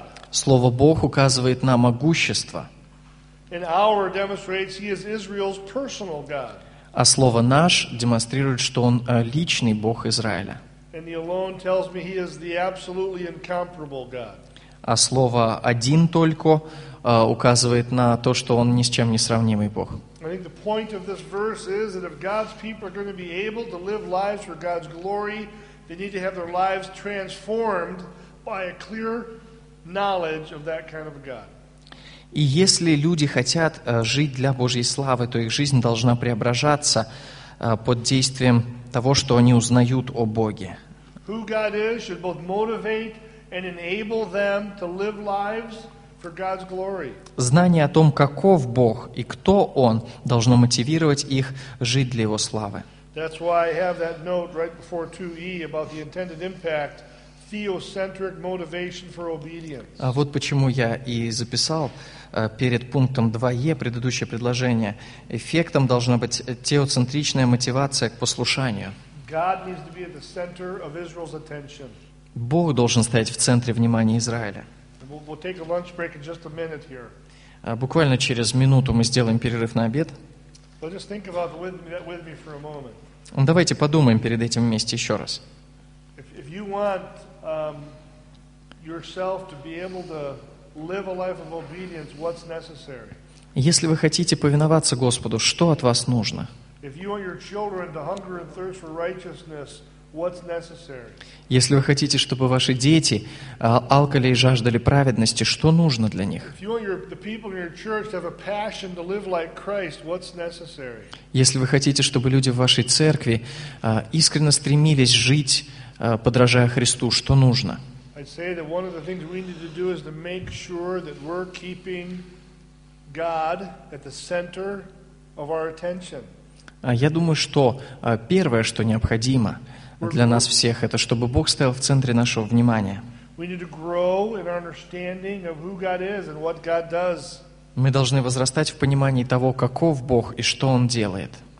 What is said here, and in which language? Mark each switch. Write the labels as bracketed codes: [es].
[ru] Слово «Бог» указывает на могущество. [en] And our demonstrates he is Israel's personal God. [ru] А слово «наш» демонстрирует, что Он личный Бог Израиля. [en] And he alone tells me he is the absolutely incomparable God. [ru] А слово «один только» указывает на то, что Он ни с чем не сравнимый Бог. [en] I think the point of this verse is that if God's people are going to be able to live lives for God's glory, they need to have their lives transformed by a clear knowledge of that kind of a God. [ru] И если люди хотят жить для Божьей славы, то их жизнь должна преображаться под действием того, что они узнают о Боге. [en] Who God is should both motivate and enable them to live lives for God's glory. [ru] Знание о том, каков Бог и кто Он, должно мотивировать их жить для Его славы. [en] That's why I have that note right before 2E about the intended impact, theocentric motivation for obedience. [ru] А вот почему я и записал перед пунктом 2E предыдущее предложение. Эффектом должна быть теоцентричная мотивация к послушанию. [en] God needs to be at the center of Israel's attention. [ru] Бог должен стоять в центре внимания Израиля. [en] We'll take a lunch break in just a minute here. [ru] Буквально через минуту мы сделаем перерыв на обед. [en] But just think about that with me for a moment. [ru] Давайте подумаем перед этим вместе еще раз. [en] If you want yourself to be able to live a life of obedience, what's necessary? [ru] Если вы хотите повиноваться Господу, что от вас нужно? [en] If you want your children to hunger and thirst for righteousness, what's necessary? [ru] Если вы хотите, чтобы ваши дети алкали и жаждали праведности, что нужно для них? [en] If you want the people in your church to have a passion to live like Christ, what's necessary? [ru] Если вы хотите, чтобы люди в вашей церкви искренне стремились жить, подражая Христу, что нужно? [en] I'd say that one of the things we need to do is to make sure that we're keeping God at the center of our attention. [ru] Я думаю, что первое, что необходимо для нас всех, это чтобы Бог стоял в центре нашего внимания. Мы должны возрастать в понимании того, каков Бог и что Он делает.